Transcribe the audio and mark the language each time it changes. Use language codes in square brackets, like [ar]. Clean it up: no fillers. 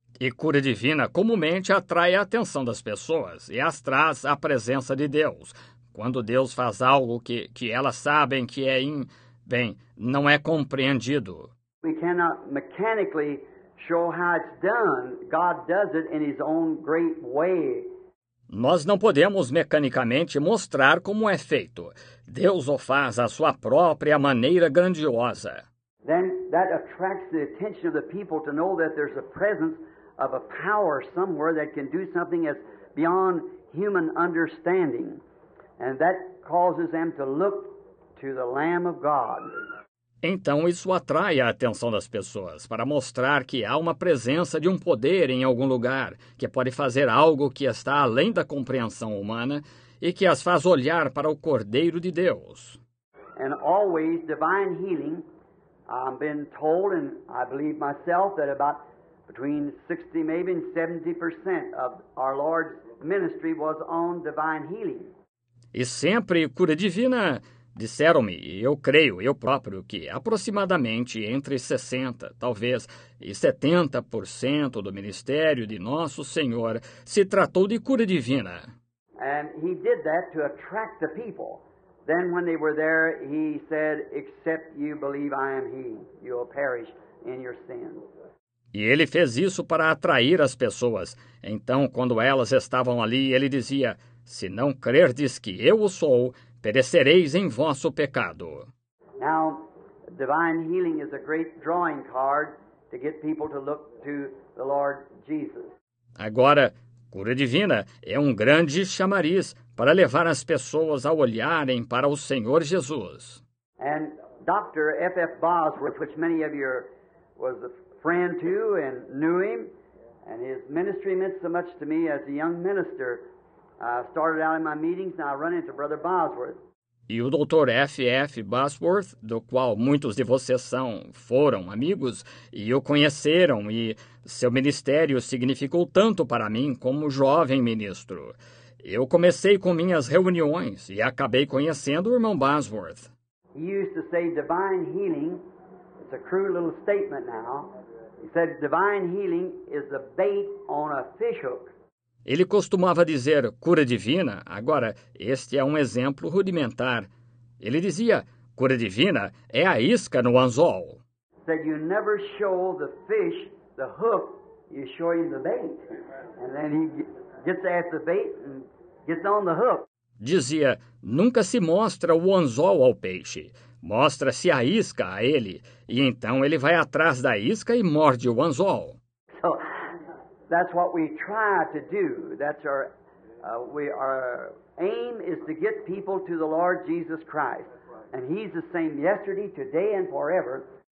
[pt] E cura divina comumente atrai a atenção das pessoas e as traz à presença de Deus. Quando Deus faz algo que elas sabem que é não é compreendido. [en] We cannot mechanically show how it's done. God does it in his own great way. [pt] Nós não podemos mecanicamente mostrar como é feito. Deus o faz à sua própria maneira grandiosa. [en] Then that attracts the attention of the people to know that there's a presence of a power somewhere that can do something that's beyond human understanding. And that causes them to look to the Lamb of God. [pt] Então isso atrai a atenção das pessoas, para mostrar que há uma presença de um poder em algum lugar, que pode fazer algo que está além da compreensão humana e que as faz olhar para o Cordeiro de Deus. [en] And always divine healing. I've been told, and I believe myself, that about between 60, maybe 70% of our Lord's ministry was on divine healing. [pt] E sempre cura divina, disseram-me, e eu creio, eu próprio, que aproximadamente entre 60, talvez, e 70% do ministério de Nosso Senhor se tratou de cura divina. [en] And he did that to attract the people. Then when they were there, he said, except you believe I am he, you will perish in your sins. [pt] E ele fez isso para atrair as pessoas. Então, quando elas estavam ali, ele dizia, se não crerdes que eu o sou, perecereis em vosso pecado. [en] Now, divine healing is a great drawing card to get people to look to the Lord Jesus. [pt] Agora, cura divina é um grande chamariz para levar as pessoas a olharem para o Senhor Jesus. [en] And Dr. F.F. Bosworth, which many of you was a friend to and knew him, and his ministry meant so much to me as a young minister. I started out in my meetings and I run into Brother Bosworth. [pt] E o Dr. F.F. Bosworth, do qual muitos de vocês são, foram amigos e o conheceram, e seu ministério significou tanto para mim como jovem ministro. Eu comecei com minhas reuniões e acabei conhecendo o irmão Bosworth. [en] He used to say divine healing, it's a crude little statement now. He said divine healing is the bait on a fish hook. [pt] Ele costumava dizer cura divina, agora este é um exemplo rudimentar. Ele dizia, cura divina é a isca no anzol. [en] Said you never show the fish the hook, you show him the bait. And then he gets at the bait and gets on the hook. [pt] Dizia, nunca se mostra o anzol ao peixe, mostra-se a isca a ele, e então ele vai atrás da isca e morde o anzol. [en] So, that's what we try to do. That's our our aim is to get people to the Lord Jesus Christ. And he's the same yesterday, today and forever.